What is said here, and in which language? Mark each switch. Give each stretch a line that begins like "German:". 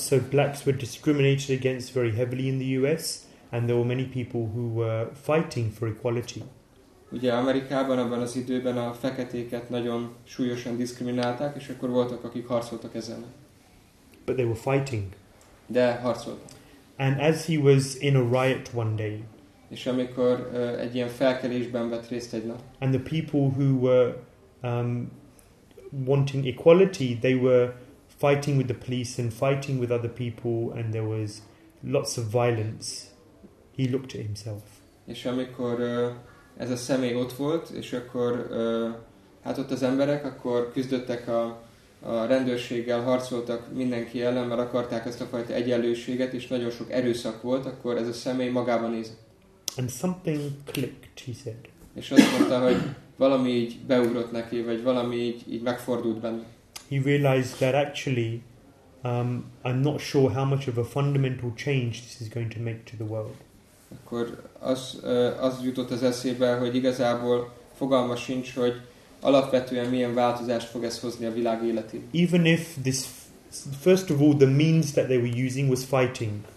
English: So blacks were discriminated against very heavily in the US, and there were many people who were fighting for equality.
Hungarian: Ugye Amerikában abban az időben a feketéket nagyon súlyosan diszkriminálták, és akkor voltak, akik harcoltak ezen.
English: But they were fighting.
Hungarian: De harcoltak.
English: And as he was in a riot one day.
Hungarian: És amikor egy ilyen felkelésben vett részt egy nap.
English: And the people who were wanting equality, they were fighting with the police and fighting with other people, and there was lots of violence. He looked at himself.
Hungarian: És amikor ez a személy ott volt, és akkor hát ott az emberek, akkor küzdöttek a rendőrséggel, harcoltak mindenki ellen, mert akarták ezt a fajta egyenlőséget, és nagyon sok erőszak volt, akkor ez a személy magában nézett.
English: And something clicked, he said.
Hungarian: És azt mondta, hogy valami így beugrott neki, vagy valami így megfordult benne.
English: He realized that actually I'm not sure how much of a fundamental change this is going to make to the world.
Hungarian: Akkor az jutott az eszébe, hogy igazából fogalma sincs, hogy alapvetően milyen változást fog ez hozni a világ életén.
English: Even if this, first of all, the means that they were using was fighting.